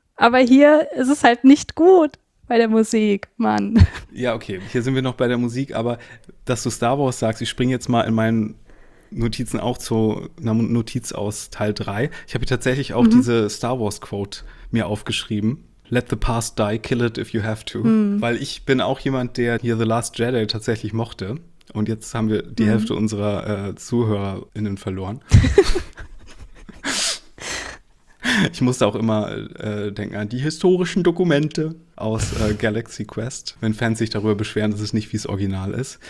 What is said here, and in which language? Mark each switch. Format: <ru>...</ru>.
<de>Aber hier ist es halt nicht gut. Bei der Musik, Mann. Ja, okay, hier sind wir noch bei der Musik, aber dass du Star Wars sagst, ich springe jetzt mal in meinen Notizen auch zu einer Notiz aus Teil 3. Ich habe hier tatsächlich auch diese Star Wars Quote mir aufgeschrieben.</de> <en>Let the past die, kill it if you have to.</en> <de>Weil ich bin auch jemand, der hier The Last Jedi tatsächlich mochte. Und jetzt haben wir die Hälfte unserer ZuhörerInnen verloren. Ich musste auch immer denken an die historischen Dokumente aus Galaxy Quest, wenn Fans sich darüber beschweren, dass es nicht wie das Original ist.</de>